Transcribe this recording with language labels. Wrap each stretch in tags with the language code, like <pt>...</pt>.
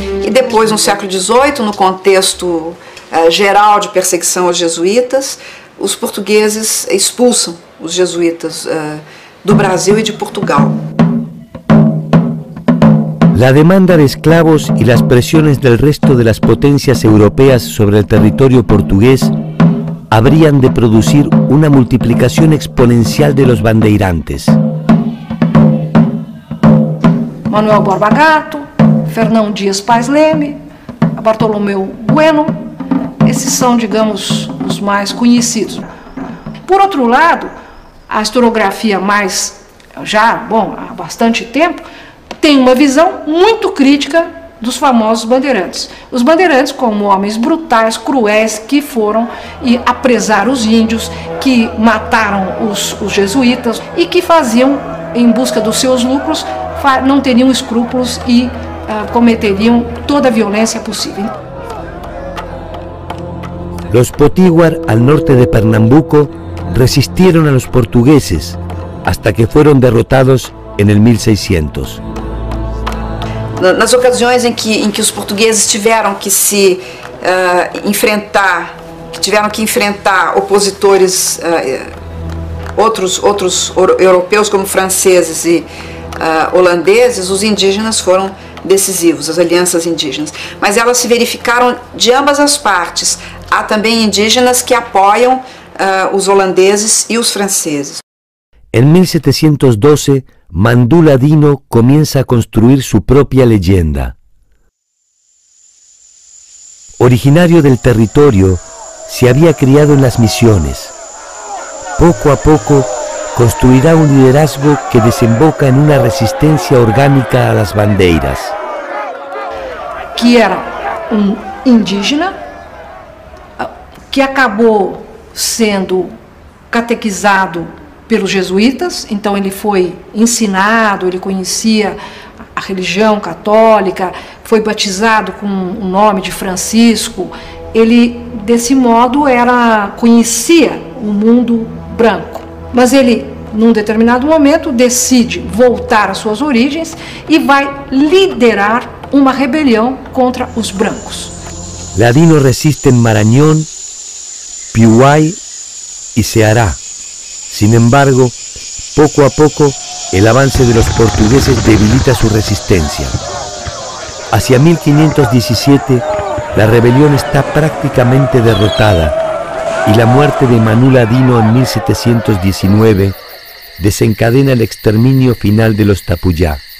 <es>Y después, en el siglo XVIII, en el contexto general de</es> <pt>perseguição aos jesuitas,</pt> <es>los portugueses expulsan los jesuitas</es> <pt>do Brasil</pt> <es>y de Portugal. La demanda de esclavos y las presiones del resto de las potencias europeas sobre el territorio portugués habrían de producir una multiplicación exponencial de los bandeirantes.</es> <pt>Manuel Borba Gato, Fernão Dias Paes Leme, Bartolomeu Bueno, esses são, digamos, os mais conhecidos. Por outro lado, a historiografia mais já, bom, há bastante tempo, tem uma visão muito crítica dos famosos bandeirantes. Os bandeirantes como homens brutais, cruéis, que foram e apresar os índios, que mataram os jesuítas e que faziam, em busca dos seus lucros, não teriam escrúpulos e cometeriam toda a violência possível.</pt> <es>Los Potiguar, al norte de Pernambuco, resistieron a los portugueses hasta que fueron derrotados en el 1600.</es> <pt>Nas ocasiões em que os portugueses tiveram que se enfrentar, que tiveram que enfrentar opositores, outros europeus como franceses e holandeses, os indígenas foram decisivos, as alianças indígenas. Mas elas se verificaram de ambas as partes. Há também indígenas que apoiam os holandeses e os franceses.</pt> <es>Em 1712, Mandula Dino comienza a construir su propia leyenda. Originario del territorio, se había criado en las misiones. Poco a poco, construirá un liderazgo que desemboca en una resistencia orgánica a las bandeiras. Que era un indígena que acabó siendo catequizado</es> <pt>pelos jesuítas, então ele foi ensinado, ele conhecia a religião católica, foi batizado com o nome de Francisco, ele desse modo conhecia o mundo branco. Mas ele, num determinado momento, decide voltar às suas origens e vai liderar uma rebelião contra os brancos. Ladino resiste em Maranhão, Piuai e Ceará.</pt> <es>Sin embargo, poco a poco, el avance de los portugueses debilita su resistencia. Hacia 1517, la rebelión está prácticamente derrotada y la muerte de Manuela Dino en 1719 desencadena el exterminio final de los Tapuyá.</es>